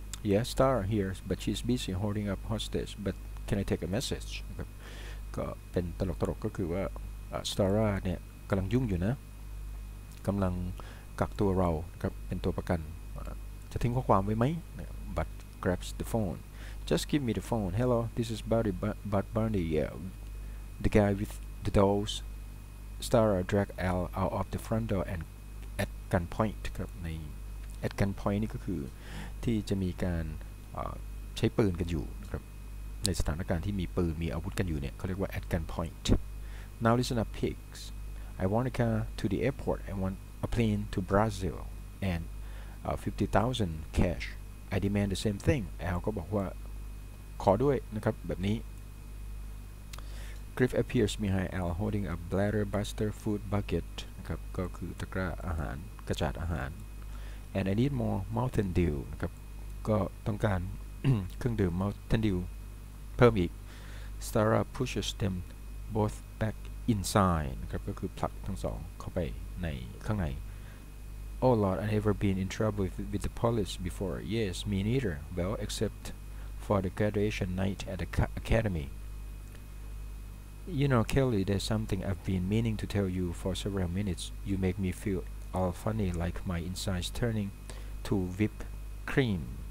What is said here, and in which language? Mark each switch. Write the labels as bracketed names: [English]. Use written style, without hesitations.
[English] Yes, Star here, but she's busy holding up hostage. But can I take a message? [Thai] ก็เป็นตลกๆ ก็คือว่าStara เนี่ยกำลังยุ่งอยู่นะกำลังกักตัวเราครับเป็นตัวประกันจะทิ้งข้อความไว้ไหม [English] But grabs the phone. Just give me the phone. Hello, this is Buddy, Bud Bundy. Yeah, the guy with the dolls. Star drag Al out of the front door and at gunpoint. [Thai] ครับใน at gunpoint นี่ก็คือที่จะมีการใช้ปืนกันอยู่ครับในสถานการณ์ที่มีปืนมีอาวุธกันอยู่เนี่ยเขาเรียกว่า at gunpoint. [English] Now listen up, pigs. I want a car to the airport. I want a plane to Brazil and50,000 cash. I demand the same thing. Al [Thai] ก็บอกว่าขอด้วยนะครับแบบนี้ [English] Griff appears behind Al holding a bladder buster food bucket [Thai] นะครับก็คือตะกร้าอาหารกระจาดอาหาร [English] And I need more Mountain Dew [Thai] นะครับก็ต้องการ เครื่องดื่ม [English] Mountain Dew [Thai] เพิ่มอีก [English] Stara pushes them both back inside [Thai] นะครับก็คือผลักทั้งสองเข้าไปในข้างใน [English] Oh Lord, I've never been in trouble with the police before. Yes, me neither. Well, except for the graduation night at the academy. You know, Kelly, there's something I've been meaning to tell you for several minutes. You make me feel all funny, like my insides turning to whipped cream.